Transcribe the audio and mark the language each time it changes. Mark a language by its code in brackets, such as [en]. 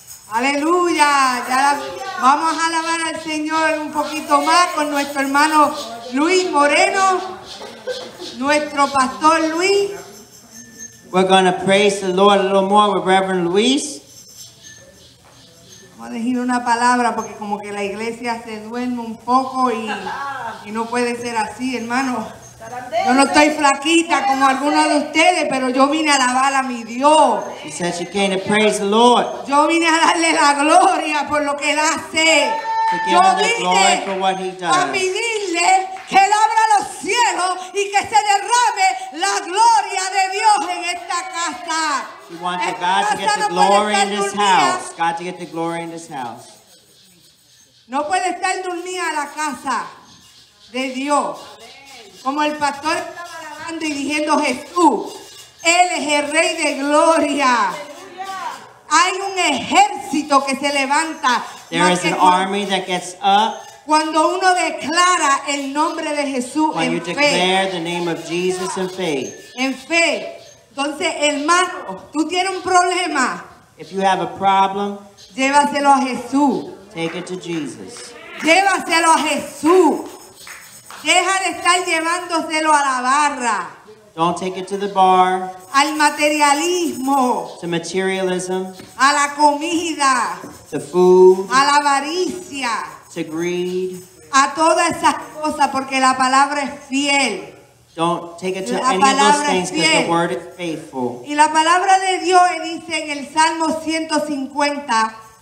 [es] Aleluya. Aleluya. Vamos a alabar al Señor un poquito más con nuestro hermano Luis Moreno. Nuestro pastor Luis. [en] We're going to praise the Lord a little more with Reverend Luis. [es] Vamos a decir una palabra porque como que la iglesia se duerme un poco y no puede ser así, hermano. Yo no estoy flaquita como alguno de ustedes, pero yo vine a alabar a mi Dios. [en] She said she came to praise the Lord. [es] Yo vine a darle la gloria por lo que Él hace. Yo vine a pedirle que Él abra los cielos y que se derrame la gloria de Dios en esta casa. [en] She wanted God to get the glory in this house. God to get the glory in this house. [es] No puede estar dormida la casa de Dios. Como el pastor estaba alabando y diciendo Jesús, Él es el Rey de Gloria. Hay un ejército que se levanta. [en] There is an army that gets up. [es] Cuando uno declara el nombre de Jesús en fe. [en] When you declare the name of Jesus in faith. [es] En fe. Entonces, hermano, tú tienes un problema. [en] If you have a problem. [es] Llévaselo a Jesús. [en] Take it to Jesus. [es] Llévaselo a Jesús. Deja de estar llevándoselo a la barra. [en] Don't take it to the bar. [es] Al materialismo. [en] To materialism. [es] A la comida. [en] To food. [es] A la avaricia. [en] To greed. [es] A todas esas cosas porque la palabra es fiel. [en] Don't take it to any of those things because the word is faithful. [es] Y la palabra de Dios dice en el Salmo 150.